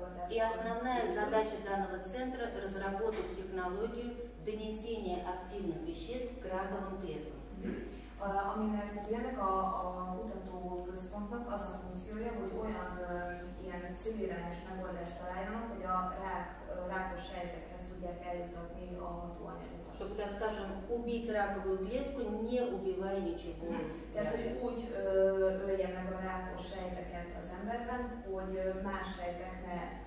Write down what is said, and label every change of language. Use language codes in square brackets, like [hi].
[ru] И основная задача данного центра – разработать технологию донесения активных веществ к раковым клеткам. [hu] Aminek tudjának a kutató központnak az a funkciója, hogy olyan ilyen civilrányos megoldást találjanak, hogy a rákos sejtekhez tudják eljutatni a hatóanyagokat. [ru] Чтобы, так скажем, убить раковую клетку, не убивая ничего. [hu] Tehát, hogy úgy ölje meg a rákos sejteket az emberben, hogy más sejtek ne